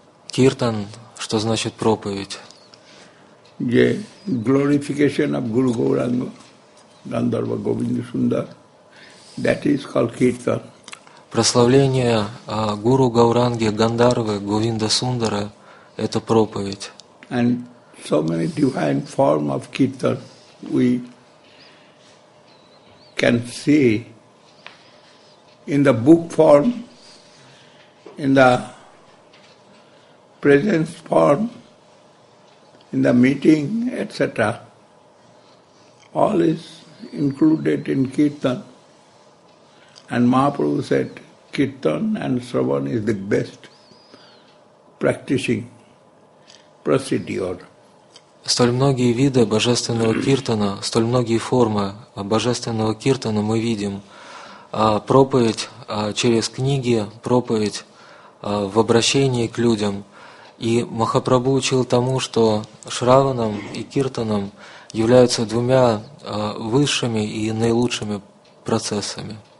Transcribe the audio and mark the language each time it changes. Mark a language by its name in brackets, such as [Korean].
[Russian] Kirtan, что значит проповедь? [English] The glorification of Guru Gauranga, Gandharva Govinda Sundar. That is called Kirtan. [Russian] Прославление Гуру Гауранги Гандарвы Говинда Сундара – это проповедь. [English] And so many divine forms of Kirtan we can see in the book form, in the presence form, in the meeting, etc. All is included in Kirtan. And Mahaprabhu said, Kirtan and Shravan is the best practicing procedure. [Russian] Столь многие виды божественного киртана, столь многие формы божественного киртана мы видим. Проповедь через книги, проповедь в обращении к людям. И Махапрабху учил тому, что Шраванам и Киртанам являются двумя высшими и наилучшими процессами.